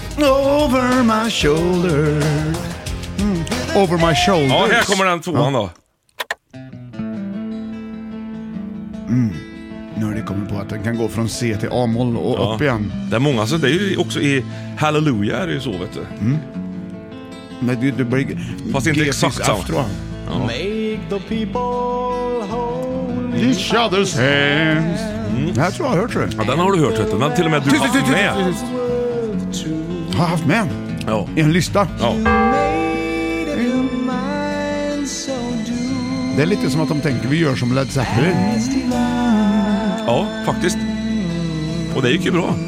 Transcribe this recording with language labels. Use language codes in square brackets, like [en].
[en] Over my shoulder. Over my shoulder. [sv] Ja, här kommer den tvåan då. Nu har det kommit på att den kan gå från C till A-moll och upp igen. Det är många, så det är ju också i Hallelujah är det ju så, vet du. Men du blir... Fast inte exakt så. Ja. [en] Make the people hold each other's hands. [sv] Jag tror jag har hört det. Ja, den har du hört, vet du. Men till och med du har haft med. Har jag haft med? Ja. I en lista? Ja. Det är lite som att de tänker vi gör som Led Zeppelin. Ja, faktiskt. Och det gick ju bra.